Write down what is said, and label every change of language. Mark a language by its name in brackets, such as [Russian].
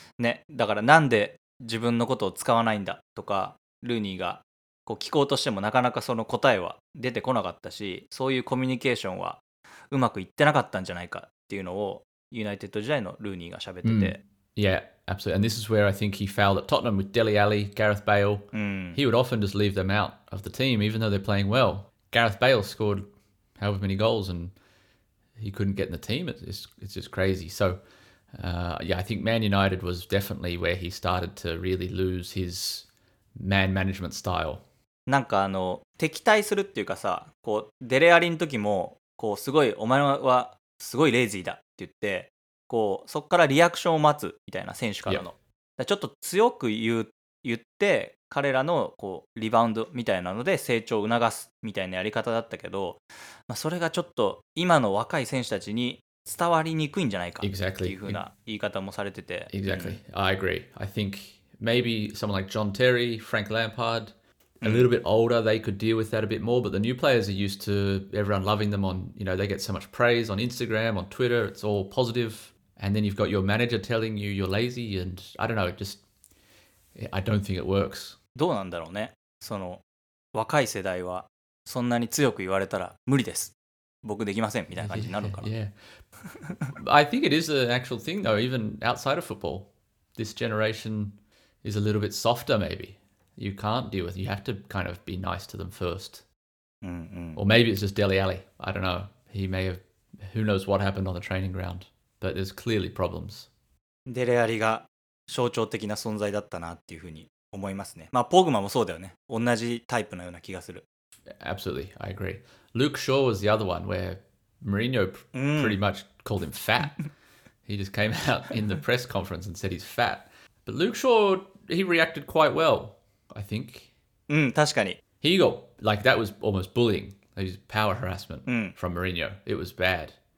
[Japanese] ね、だからなんで自分のことを使わないんだとか、ルーニーがこう聞こうとしてもなかなかその答えは出てこなかったし、そういうコミュニケーションはうまくいってなかったんじゃないかっていうのをユナイテッド時代のルーニーが喋ってて、 [English] Yeah, absolutely. And this is where I think he fouled at Tottenham with Dele Alli, Gareth Bale. He would often just leave them out of the team, even though they're playing well. Gareth Bale scored however many goals and he couldn't get in the team. It's just crazy. So, yeah, I think Man United was definitely where he started to really lose his man management style. [Japanese] なんかあの、敵対するっていうかさ、こう、デレアリの時も、こう、すごい、お前はすごいレイジーだって言って、こう、そこからリアクションを待つみたいな選手からの。 [English] Yeah. [Japanese] ちょっと強く言って、彼らのこうリバウンドみたいなので成長を促すみたいなやり方だったけど、まあ、それがちょっと今の若い選手たちに伝わりにくいんじゃないかっていうふうな言い方もされてて。 [English] Exactly. I agree. I think maybe someone like John Terry, Frank Lampard, a little bit older, they could deal with that a bit more, but the new players are used to everyone loving them on, you know, they get so much praise on Instagram, on Twitter, it's all positive. And then you've got your manager telling you you're lazy and I don't know, just... I don't think it works. [Japanese] どうなんだろうね。その若い世代はそんなに強く言われたら無理です。僕できませんみたいな感じになるから。 [English] Yeah, yeah. I think it is an actual thing though, even outside of football. This generation is a little bit softer maybe. You can't deal with it. You have to kind of be nice to them first. Or maybe it's just Dele Alli. I don't know. He may have, who knows what happened on the training ground. But there's clearly problems. [Japanese] Dele Alli が象徴的な存在だったなっていうふうに思いますね。まあポグマもそうだよね。同じタイプのような気がする。 [English] Absolutely, I agree. Luke Shaw was the other one where Mourinho pretty much called him fat. He just came out in the press conference and said he's fat. But Luke Shaw, he reacted quite well, I think. [Japanese] うん、確かに。 [English] He got, like that was almost bullying. It was power harassment from Mourinho. It was bad.